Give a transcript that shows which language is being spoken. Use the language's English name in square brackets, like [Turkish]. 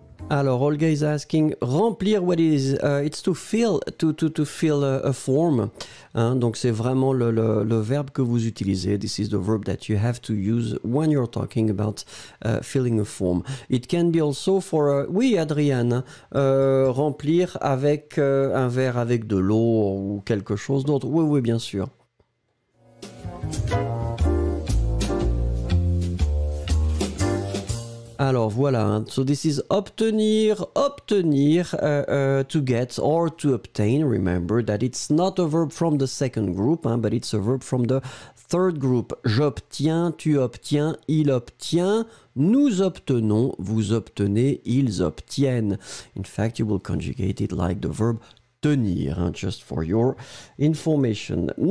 [French] Alors, au [English] Olga is asking, remplir what is, it's to fill, to fill a form. [French] Hein, donc c'est vraiment le verbe que vous utilisez. [English] This is the verb that you have to use when you're talking about filling a form. It can be also for, [French] oui Adrienne, remplir avec un verre avec de l'eau ou quelque chose d'autre. Oui, oui, bien sûr. Alors voilà, [English] so this is obtenir, to get or to obtain. Remember that it's not a verb from the second group, hein, but it's a verb from the third group. [French] J'obtiens, tu obtiens, il obtient, nous obtenons, vous obtenez, ils obtiennent. [English] In fact, you will conjugate it like the verb tenir, hein, just for your information.